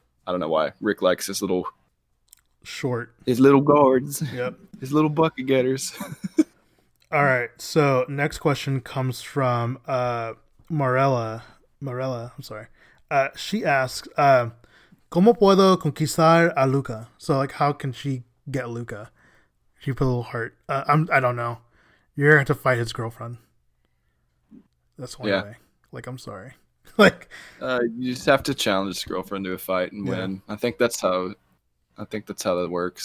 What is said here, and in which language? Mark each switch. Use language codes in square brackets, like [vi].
[en] I don't know why Rick likes his little short, his little guards, yep, his little bucket getters. All right, so next question comes from Marella. I'm sorry. She asks, [es] ¿Cómo puedo conquistar a Luka? [en] So, like, how can she get Luka? She put a little heart. I don't know. You're gonna have to fight his girlfriend. That's one way. Like, I'm sorry. You just have to challenge his girlfriend to a fight and win. Yeah. I think that's how that works.